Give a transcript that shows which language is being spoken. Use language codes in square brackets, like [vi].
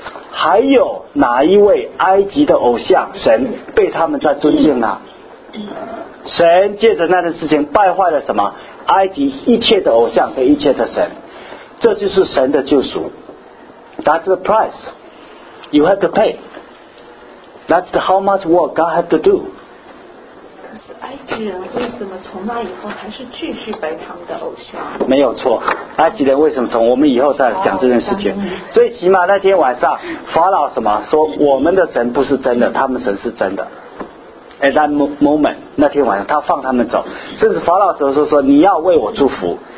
[zh] 还有哪一位埃及的偶像神被他们在尊敬呢？神借着那件事情败坏了什么？埃及一切的偶像和一切的神，这就是神的救赎。 [en] That's the price you have to pay. That's the how much work God had to do. [zh] 可是埃及人为什么从那以后还是继续拜他们的偶像？没有错，埃及人为什么从？我们以后再讲这件事情。最起码那天晚上，法老什么说我们的神不是真的，他们神是真的。 [en] At that moment, [zh] 那天晚上他放他们走，甚至法老走的时候说你要为我祝福。